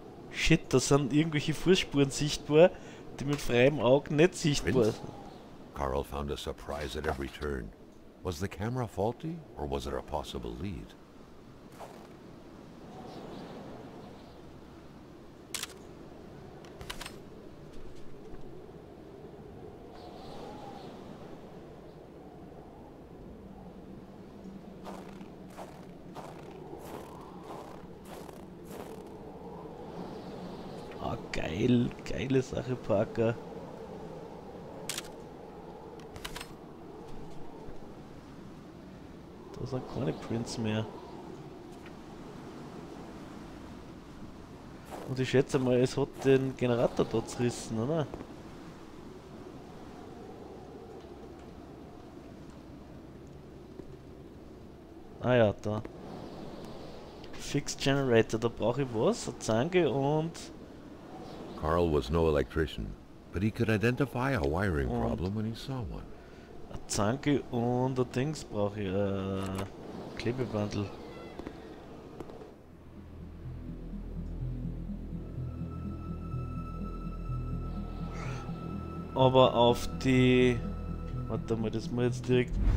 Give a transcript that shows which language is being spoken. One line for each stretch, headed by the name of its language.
German: Shit, da sind irgendwelche Fußspuren sichtbar, die mit freiem Auge nicht sichtbar sind.
English: Carl found a surprise at every turn. Was the camera faulty or was it a possible lead?
German: Geile Sache, Parker. Da sind keine Prints mehr. Und ich schätze mal, es hat den Generator da zerrissen, oder? Ah, Ah ja, da. Fixed Generator, da brauche ich was, eine Zange und...
English: Carl was no electrician, but he could identify a wiring problem when he saw one.
German: Eine Zange und ein Dings brauche ich, Klebebandel. Aber auf die... Warte mal, das muss ich jetzt direkt...